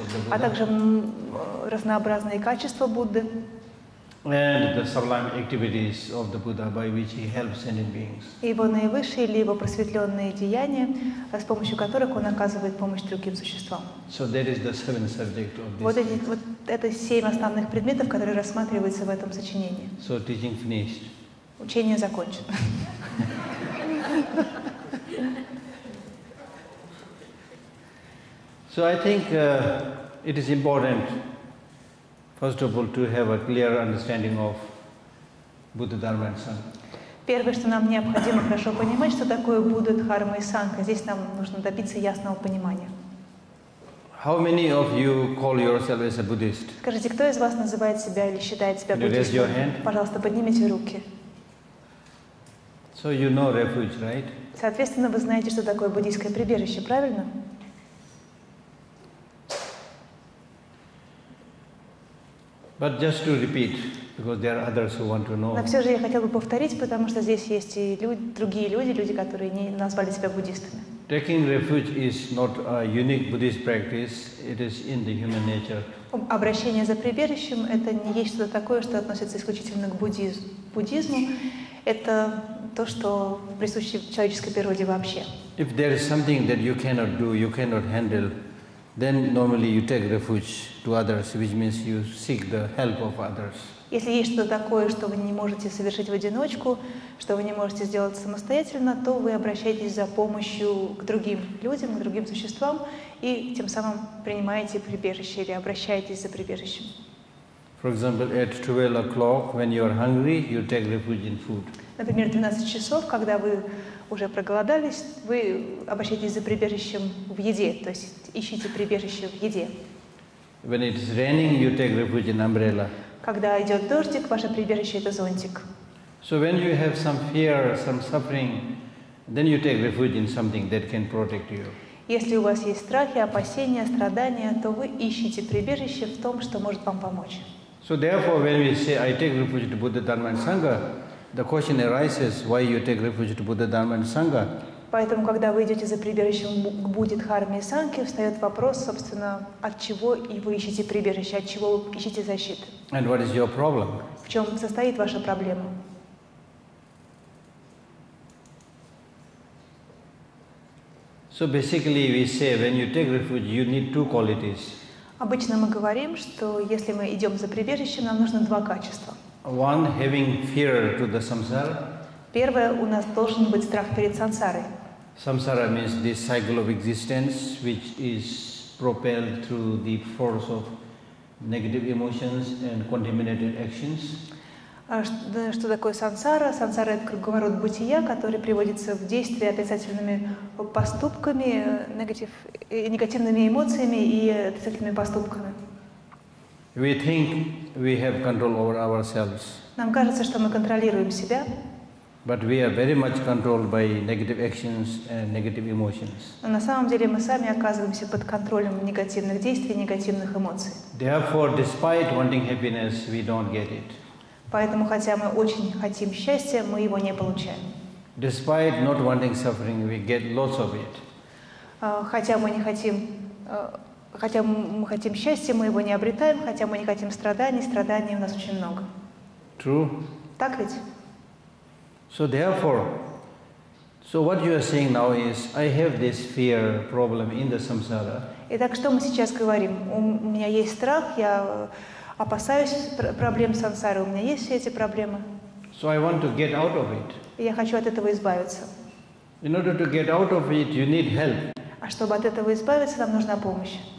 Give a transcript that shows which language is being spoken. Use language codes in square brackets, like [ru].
[ru] А также разнообразные качества Будды. [en] And the sublime activities of the Buddha by which he helps sentient beings. [ru] Его наивысшие или его просветленные деяния, с помощью которых он оказывает помощь другим существам. [en] So that is the seven subject of this. [ru] Это семь основных предметов, которые рассматриваются в этом сочинении. [en] So teaching finished. [ru] Учение закончено. [en] So I think it is important, first of all, to have a clear understanding of Buddha, Dharma, and Sangha. [ru] Первое, что нам необходимо хорошо понимать, что такое Будда, Дхарма и Сангха. Здесь нам нужно добиться ясного понимания. [en] How many of you call yourself as a Buddhist? [ru] Скажите, кто из вас называет себя или считает себя буддистом? [en] Raise your hand. [ru] Пожалуйста, поднимите руки. [en] So you know refuge, right? [ru] Соответственно, вы знаете, что такое буддийское прибежище, правильно? [en] But just to repeat, because there are others who want to know. [ru] Но все же я хотел бы повторить, потому что здесь есть и другие люди, которые не назвали себя буддистами. [en] Taking refuge is not a unique Buddhist practice. It is in the human nature. [ru] Обращение за прибежищем — это не есть что-то такое, что относится исключительно к буддизму. Это то, что присуще человеческой природе вообще. [en] If there is something that you cannot do, you cannot handle, then normally you take refuge to others, which means you seek the help of others. [ru] Если есть что-то такое, что вы не можете совершить в одиночку, что вы не можете сделать самостоятельно, то вы обращаетесь за помощью к другим людям, к другим существам, и тем самым принимаете прибежище или обращаетесь за прибежищем. [en] For example, at 12 o'clock, when you are hungry, you take refuge in food. [ru] Например, 12 часов, когда вы уже проголодались, вы обращаетесь за прибежищем в еде, то есть ищите прибежище в еде. [en] When it is raining, you take refuge in umbrella. [ru] Когда идет дождик, ваше прибежище — это зонтик. [en] So when you have some fear, some suffering, then you take refuge in something that can protect you. [ru] Если у вас есть страхи, опасения, страдания, то вы ищете прибежище в том, что может вам помочь. [en] So therefore, when we say, I take refuge to Buddha, Dharma, and Sangha, the question arises, why you take refuge to Buddha, Dharma, and Sangha? [ru] Поэтому, когда вы идете за прибежищем к Будде, Дхарме и Санхе, встает вопрос, собственно, от чего и вы ищете прибежище, от чего вы ищете защиту. [en] And what is your problem? [ru] В чем состоит ваша проблема? [en] So basically we say, when you take refuge, you need two qualities. [ru] Обычно мы говорим, что если мы идем за прибежищем, нам нужно два качества. [en] One, having fear to the samsara. [ru] Первое, у нас должен быть страх перед сансарой. [en] Samsara means this cycle of existence, which is propelled through the force of negative emotions and contaminated actions. [ru] А что такое сансара? Сансара — это круговорот бытия, который приводится в действие отрицательными поступками, негативными эмоциями и отрицательными поступками. [en] We think we have control over ourselves. [ru] Нам кажется, что мы контролируем себя. [en] But we are very much controlled by negative actions and negative emotions. [ru] Но на самом деле мы сами оказываемся под контролем негативных действий, негативных эмоций. [en] Therefore, despite wanting happiness, we don't get it. [ru] Поэтому, хотя мы очень хотим счастья, мы его не получаем. [en] Despite not wanting suffering, we get lots of it. [ru] Хотя мы хотим счастья, мы его не обретаем. Хотя мы не хотим страданий, страданий у нас очень много. [en] True. [ru] Так ведь? [en] So therefore, so what you are saying now is, I have this fear problem in the samsara. [ru] Итак, что мы сейчас говорим? У меня есть страх, я опасаюсь проблем сансары, у меня есть все эти проблемы. [en] So I want to get out of it. [ru] Я хочу от этого избавиться. [en] In order to get out of it, you need help. [ru] А чтобы от этого избавиться, нам нужна помощь.